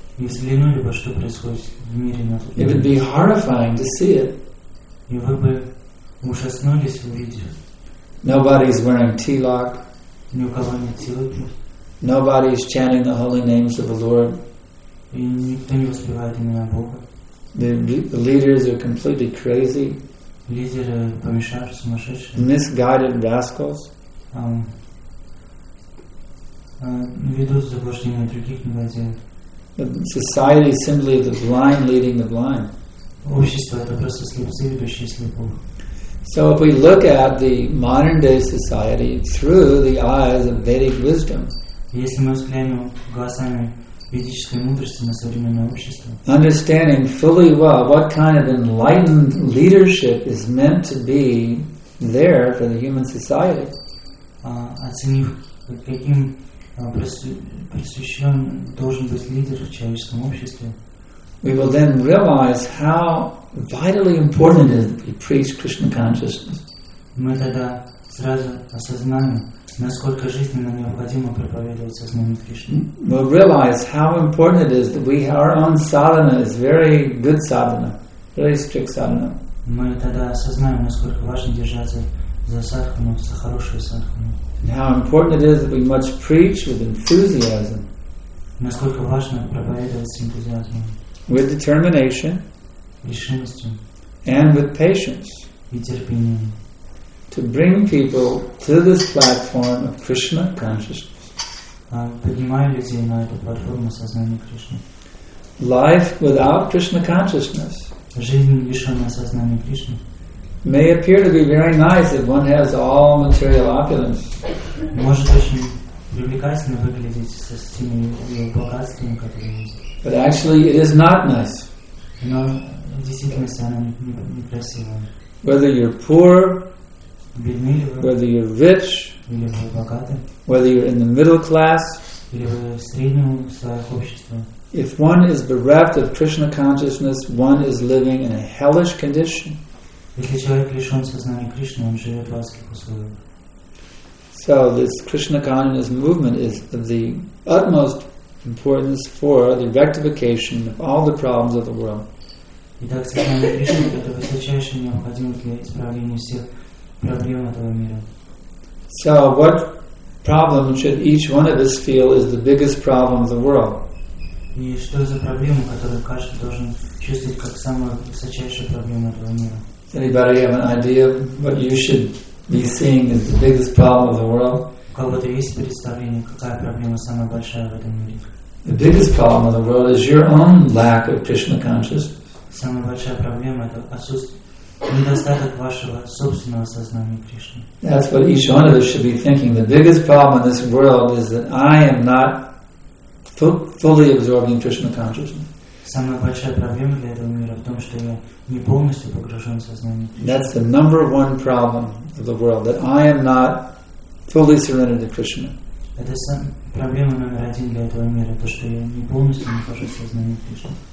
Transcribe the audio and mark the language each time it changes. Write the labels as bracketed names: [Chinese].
[Russian] Взглянули бы, что происходит в мире на тот момент. [English] It would be horrifying to see it. [Russian] И вы бы ужаснулись увидев. [English] Nobody's wearing tilak. [Russian] Ни у кого нет тилаки. [English] Nobody's chanting the holy names of the Lord. [Russian] И никто не воспевает имена Бога. [English] The leaders are completely crazy. [Russian] Лидеры помешали, сумасшедшие. [English] Misguided rascals. [Russian] Ведут заблуждение других негодяев. [English] Society is simply the blind leading the blind. [Russian] Общество это просто слепцы ведущие слепого. [English] So if we look at the modern day society through the eyes of Vedic wisdom. [Russian] Если мы взглянем глазами ведической мудрости на современное общество. [English] Understanding fully well what kind of enlightened leadership is meant to be there for the human society. [Russian] Оценив, каким просвещен должен быть лидер в человеческом обществе. [English] We will then realize how vitally important it is that we preach Krishna consciousness. [Russian] Мы тогда сразу осознаем, насколько жизненно необходимо проповедовать сознание Кришны. [English] We realize how important it is that we our own sadhana is very good sadhana, very strict sadhana. [Russian] Мы тогда осознаем, насколько важно держаться за садхану, за хорошую садхану. [English] How important it is that we much preach with enthusiasm. [Russian] Насколько важно проповедовать с энтузиазмом. [English] With determination, [Russian] решимостью, [English] and with patience, [Russian] и терпением, [English] to bring people to this platform of Krishna consciousness. [Russian] Поднимая людей на эту платформу сознания Кришны. [English] Life without Krishna consciousness, [Russian] жизнь лишённая сознания Кришны, [English] may appear to be very nice if one has all material opulence. [Russian] Может очень привлекательно выглядеть со всеми богатствами, которые есть. [English] But actually, it is not nice. [Russian] Но в действительности она некрасивая. [English] Whether you're poor, [Russian] бедный ли вы, [English] whether you're rich, [Russian] или вы богаты, [English] whether you're in the middle class, [Russian] или вы в среднем слое общества, [English] if one is bereft of Krishna consciousness, one is living in a hellish condition. [Russian] Если человек лишен сознания Кришны, он живет в адских условиях. [English] So this Krishna consciousness movement is of the utmost importance for the rectification of all the problems of the world. [Russian] Итак, сознание Кришны — это высочайшая необходимость для исправления всех проблем этого мира. [English] So what problem should each one of us feel is the biggest problem of the world? [Russian] И что за проблема, которую каждый должен чувствовать как самую высочайшую проблему этого мира? [English] Does anybody have an idea of what you should be seeing as the biggest problem of the world? [Russian] Кого-то есть представление, какая проблема самая большая в этом мире? [English] The biggest problem of the world is your own lack of Krishna consciousness. [Russian] Самая большая проблема это отсутствие недостаток вашего собственного сознания Кришны. [English] That's what each one of us should be thinking. The biggest problem in this world is that I am not fully absorbing Krishna consciousness. [Russian] Самая большая проблема для этого мира в том, что я не полностью погружен в сознание. [English] That's the number one problem of the world, that I am not fully surrendered to Krishna. [Russian] Это проблема номер один для этого мира, то, что я не полностью нахожусь в сознании Кришны.